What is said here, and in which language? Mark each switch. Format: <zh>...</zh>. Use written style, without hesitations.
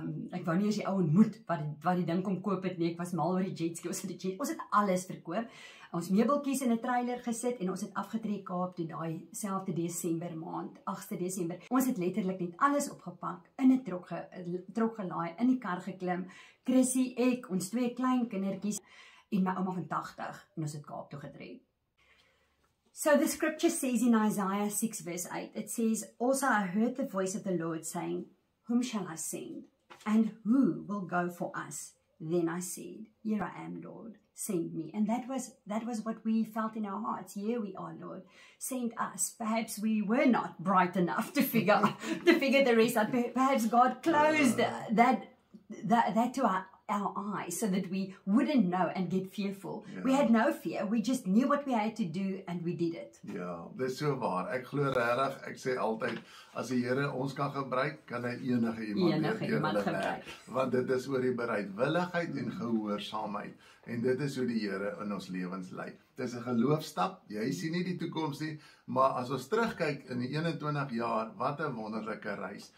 <af>ek wou nie as die ou ontmoet wat die ding kom koop het nie, ek was mal oor die jetski, ons het alles verkoop, ons meubeltjies in 'n trailer gesit en ons het afgetrek Kaap toe daai selfde December maand, 8de December, ons het letterlik net alles opgepak, in 'n trok gelaai, in die kar geklim, Chrissy, ek, ons twee klein kindertjies en my ouma van 80 en ons het Kaap toe getrek.</af> <en>So the scripture says in Isaiah 6 verse 8, it says, "Also I heard the voice of the Lord saying, whom shall I send? And who will go for us? Then I said, here I am, Lord, send me." And that was what we felt in our hearts. Here we are, Lord, send us. Perhaps we were not bright enough to figure the rest out. Perhaps God closed that to our eyes so that we wouldn't know and get fearful. Yeah. We had no fear. We just knew what we had to do and we did it.</en> <af>Ja, dis so waar. Ek glo regtig, ek sê altyd, as die Here ons kan gebruik, kan hy enige iemand gebruik. Want dit is oor die bereidwilligheid en gehoorsaamheid. En dit is hoe die Here in ons lewens lei. Dit is 'n geloofstap. Jy sien nie die toekoms nie, maar as ons terugkyk in die 21 jaar, wat 'n wonderlike reis.</af>